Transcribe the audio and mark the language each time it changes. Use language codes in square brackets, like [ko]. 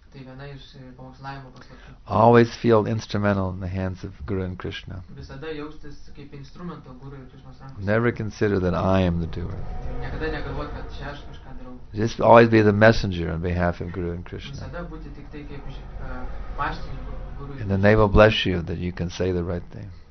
[lt] Tai viena iš pamokslavimo paslapčių. [en] Always feel instrumental in the hands of Guru and Krishna. [lt] Visada jaustis kaip instrumento Guru ir Krishnos rankose. [en] Never consider that I am the doer. [lt] Niekada negalvoti, kad čia aš kažką darau. [en] Just always be the messenger on behalf of Guru and Krishna. [lt] Visada būti tik tai kaip paštininku Guru ir Krishna. [en] And then they will bless you that you can say the right thing.